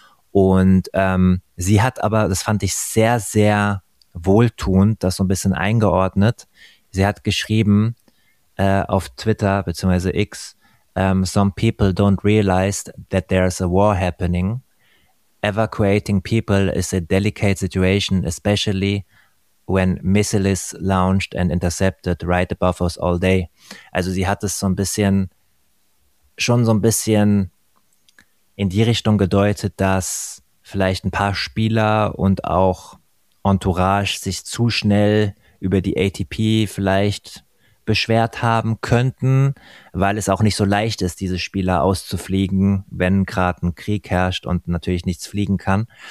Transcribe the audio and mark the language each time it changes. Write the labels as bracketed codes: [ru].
[de] Und sie hat aber, das fand ich sehr, sehr wohltuend, das so ein bisschen eingeordnet. Sie hat geschrieben auf Twitter beziehungsweise X, [en] some people don't realize that there's a war happening. Evacuating people is a delicate situation, especially when missiles launched and intercepted right above us all day. [de] Also sie hat es so ein bisschen, schon so ein bisschen in die Richtung gedeutet, dass vielleicht ein paar Spieler und auch Entourage sich zu schnell über die ATP vielleicht beschwert haben könnten, weil es auch nicht so leicht ist, diese Spieler auszufliegen, wenn gerade ein Krieg herrscht und natürlich nichts fliegen kann.